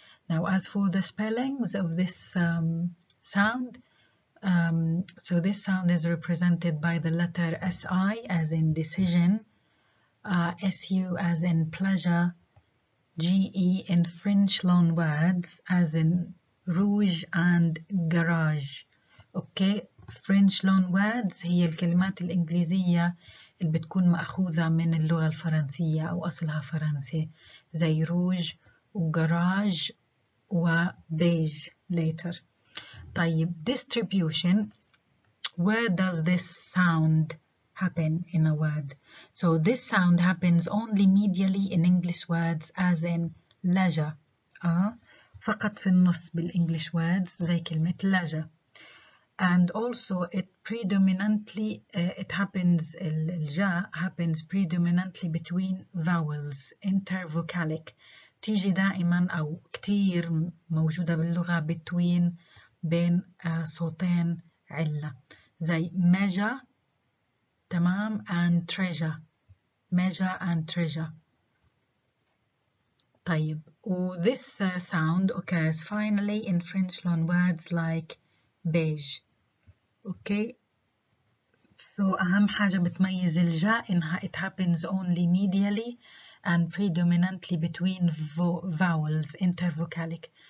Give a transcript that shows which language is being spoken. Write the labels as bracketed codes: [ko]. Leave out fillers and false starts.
[en] Now, as for the spellings of this sound, so this sound is represented by the letter si as in decision, su as in pleasure, GE in French loan words as in rouge and garage. Okay, French loan words [ar] هي الكلمات الإنجليزية اللي بتكون مأخوذة من اللغة الفرنسية أو أصلها فرنسي زي rouge و garage و beige later. [en] طيب, distribution, where does this sound happen in a word? So this sound happens only medially in English words as in leisure. [ar] فقط في النص بال [en] English words [ar] زي كلمة leisure. [en] And also it predominantly, it happens, الجا happens predominantly between vowels, intervocalic. [ar] تيجي دائما أو كتير موجودة باللغة between, بين صوتين علة. [en] زي measure, تمام, and treasure, measure and treasure. طيب, this sound occurs finally in French loan words like beige. Okay, so [ar] أهم حاجة بتميز الجا إنها [en] it happens only medially and predominantly between vowels, intervocalic.